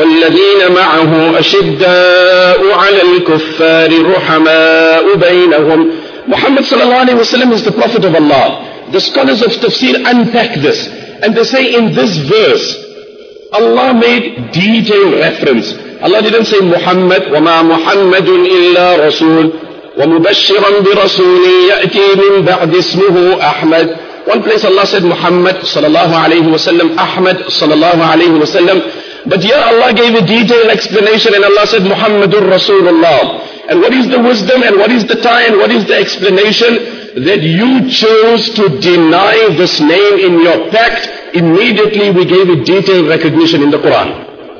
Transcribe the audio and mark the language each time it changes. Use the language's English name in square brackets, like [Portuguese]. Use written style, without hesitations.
[Arabic] والذين معه أشداء على الكفار رحماء بينهم. [English] Muhammad sallallahu alayhi wa sallam is the prophet of Allah. The scholars of tafsir unpack this and they say in this verse Allah made detailed reference. Allah didn't say Muhammad, [Arabic] وما محمد إلا رسول ومبشرا برسول يأتي من بعد اسمه أحمد. [English] One place Allah said Muhammad sallallahu alayhi wa sallam, Ahmad sallallahu alayhi wa sallam. But yeah, Allah gave a detailed explanation and Allah said Muhammadur Rasulullah. And what is the wisdom and what is the tie and what is the explanation that you chose to deny this name in your pact? Immediately we gave a detailed recognition in the Quran.